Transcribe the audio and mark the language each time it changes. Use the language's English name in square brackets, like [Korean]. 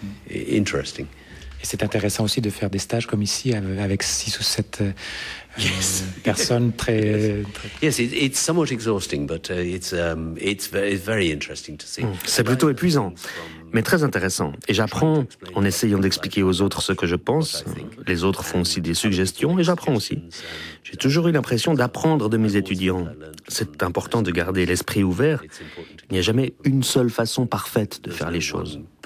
[French] Et c'est intéressant aussi de faire des stages comme ici avec 6 ou 7 personnes très. [English] Yes, it's somewhat exhausting, but it's very interesting to see. [French] C'est plutôt épuisant, mais très intéressant. Et j'apprends en essayant d'expliquer aux autres ce que je pense. Les autres font aussi des suggestions et j'apprends aussi. J'ai toujours eu l'impression d'apprendre de mes étudiants. C'est important de garder l'esprit ouvert. Il n'y a jamais une seule façon parfaite de faire les choses.